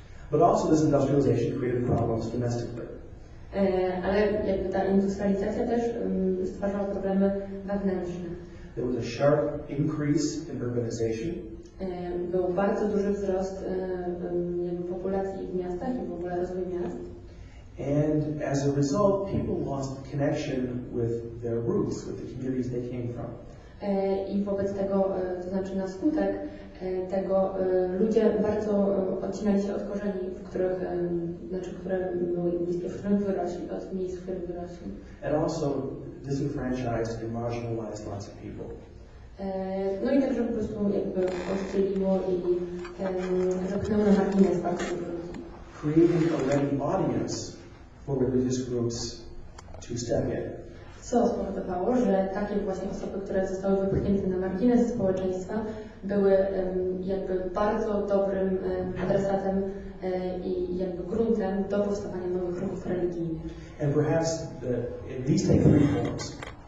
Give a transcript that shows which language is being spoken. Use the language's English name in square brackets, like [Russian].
[English] But also this industrialization created problems domestically. [Polish] Ale jakby ta industrializacja też stwarzała problemy wewnętrzne. [English] There was a sharp increase in urbanization. [Polish] Był bardzo duży wzrost populacji w miastach i w ogóle rozwój miast. [English] And as a result, people lost connection with their roots, with the communities they came from. [Polish] I wobec tego, to znaczy na skutek tego, ludzie bardzo odcinali się od korzeni, w których, znaczy, które były miejsce, w którym wyrośli, od miejsc, w którym wyrośli. [English] And also disenfranchised and marginalized lots of people. [Polish] No i także po prostu jakby oddzieliło i zamknęło na margines bardzo dużo ludzi. [English] Creating a ready audience for religious groups to step in. [Polish] Co spowodowało, że takie właśnie osoby, które zostały wypchnięte na margines społeczeństwa, były jakby bardzo dobrym adresatem i jakby gruntem do powstawania nowych ruchów religijnych. [English] And perhaps at least take 3 forms.